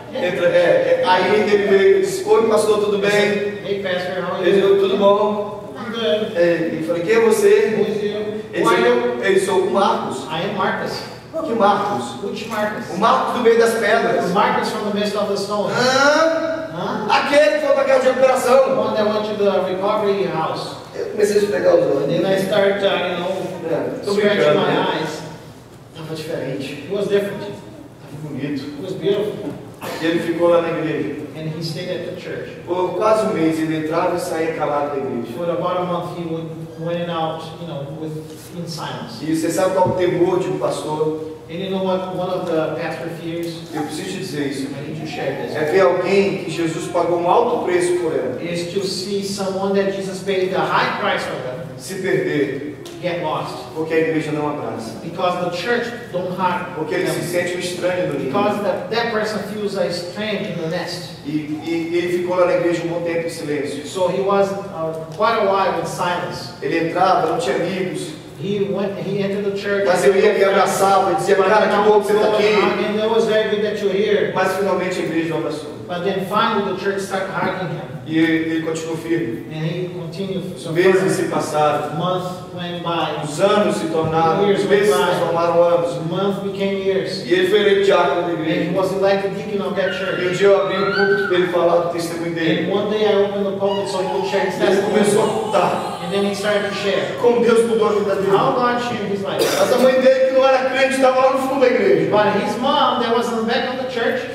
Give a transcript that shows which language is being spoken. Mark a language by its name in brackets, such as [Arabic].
[Portuguese] entra, aí ele veio, oi pastor, tudo bem? [English] Hey pastor, how are you? [Portuguese] Ele falou, tudo bom? [English] I'm good. [Portuguese] Ele falou, quem é você? [English] Who is you? [Portuguese] Ele sou o Marcos. [English] I am Marcos. [Portuguese] Que Marcos? [English] Which Marcos? [Portuguese] O Marcos do meio das pedras. [English] Marcos from the midst of the stones. [Portuguese] Aquele que foi para a casa de recuperação. [English] The one that went to the recovery house. [Portuguese] Eu comecei a esfregar os olhos. [English] Then I start, scratching my eyes. [Portuguese] Tava diferente. [English] It was different. [Portuguese] Tava bonito. [English] It was beautiful. [Portuguese] E ele ficou lá na igreja. [English] And he stayed at the church. [Portuguese] Por quase um mês ele entrava e saía calado da igreja. [English] For about a month he would went out, with in silence. [Portuguese] E você sabe qual é o temor de um pastor? [English] And you know what one of the pastor fears? [Portuguese] Eu preciso te dizer isso. [English] I need to share this. [Portuguese] É ver alguém que Jesus pagou um alto preço por ela. [English] Is to see someone that Jesus paid a high price for them. [Portuguese] Se perder. [English] Get lost. [Portuguese] Porque a igreja não abraça. [English] Because the church don't hug. [Portuguese] Porque ele se sente um estranho no [English] Because [Portuguese] ninho. [English] Because that person feels a strange in the nest. [Portuguese] E ele ficou lá na igreja um bom tempo em silêncio. [English] So he was quite a while in silence. [Portuguese] Ele entrava, não tinha amigos. [English] He entered the church. [Portuguese] Mas eu ia me abraçar, e dizia, cara, que bom que você está aqui. [English] That you're here. [Portuguese] Mas finalmente a igreja abraçou. [English] But then finally the church started hugging him. [Portuguese] E ele continuou firme. [English] And he continued. [Portuguese] So meses se passaram. [English] Months went by. [Portuguese] Os anos se tornaram. Os meses se transformaram anos. [English] Months became years. [Portuguese] E ele foi eleito diácono da igreja. [English] And he was elected deacon of that church. [Portuguese] E um dia eu abri o púlpito para ele falar do testemunho dele. [English] And one day I opened the pulpit so he could share his [Portuguese] testimony. E ele começou a contar. [English] And then he started to share. [Portuguese] Como Deus mudou a vida dele. [English] How God changed his life. [Portuguese] Mas a mãe dele que não era crente estava lá no fundo da igreja. [English] But his mom that was in the back of the church.